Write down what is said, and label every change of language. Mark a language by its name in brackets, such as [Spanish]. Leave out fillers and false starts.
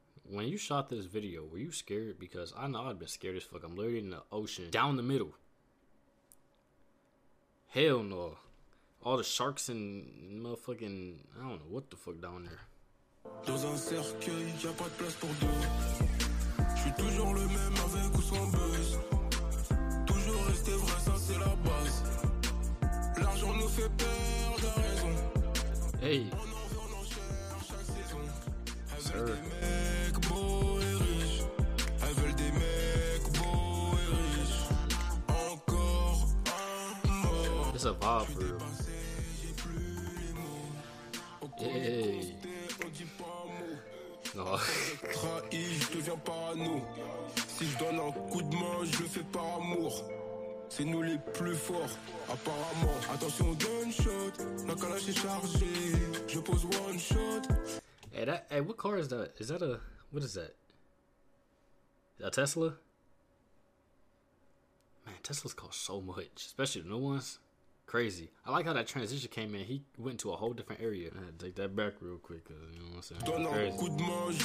[English] When you shot this video, were you scared? Because I know I'd been scared as fuck. I'm literally in the ocean. Down the middle. Hell no. All the sharks and motherfucking, I don't know what the fuck down there. [French] Dans un cercueil, y'a pas de place pour deux. J'suis toujours le même avec ou sans buzz. Toujours rester vrai, ça c'est la base. L'argent nous fait perdre raison. Hey. On en veut, on en cherche chaque saison. Elles veulent des mecs beaux et riches. Elles veulent des mecs beaux et riches. Encore un mort. C'est un vibe, bro. J'ai dépassé, j'ai plus les mots. [English] Yeah. [French] Trahi, je deviens parano. Si je donne un coup de main, je le fais par amour. C'est nous les plus forts, apparemment. Attention, gunshot, la Kalash est chargée. Je pose one shot. [English] Hey, that, hey, what car is that? Is that a, what is that? A Tesla? Man, Teslas cost so much, especially the new ones. Crazy. I like how that transition came in. He went to a whole different area. I had to take that back real quick, you know what I'm saying?